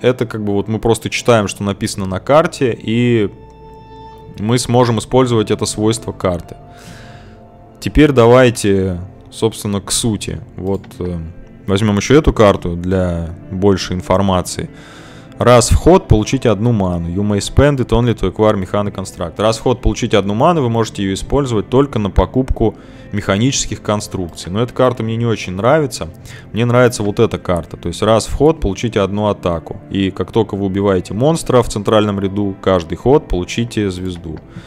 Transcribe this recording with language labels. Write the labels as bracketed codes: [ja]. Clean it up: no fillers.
[ru] Это как бы вот мы просто читаем, что написано на карте. И мы сможем использовать это свойство карты. Теперь давайте, собственно, к сути. Вот... Возьмем еще эту карту для большей информации. Раз в ход получите 1 ману. [en] You may spend it only to acquire mechanic construct. [ru] Раз в ход получите 1 ману, вы можете ее использовать только на покупку механических конструкций. Но эта карта мне не очень нравится. Мне нравится вот эта карта. То есть раз в ход получите 1 атаку. И как только вы убиваете монстра в центральном ряду, каждый ход получите звезду.